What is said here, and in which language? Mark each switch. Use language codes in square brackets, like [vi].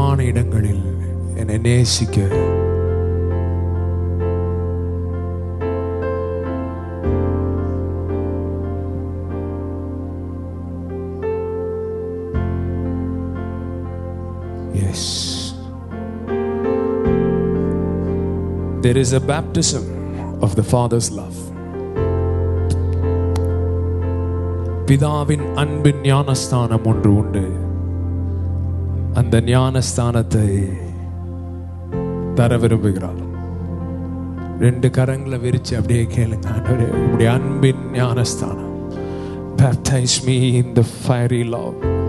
[ta] இடங்களில் என்னை நேசிக்க S [en] There is a baptism of the Father's love. [ta] பிதாவின் அன்பின் ஞானஸ்தானம் ஒன்று உண்டு. அந்த ஞானஸ்தானத்தை தர விரும்புகிறார். ரெண்டு கரங்களை விரிச்சு அப்படியே கேளுங்க. உங்களுடைய அன்பின் ஞானஸ்தானம். [en] Baptize me in the fiery love.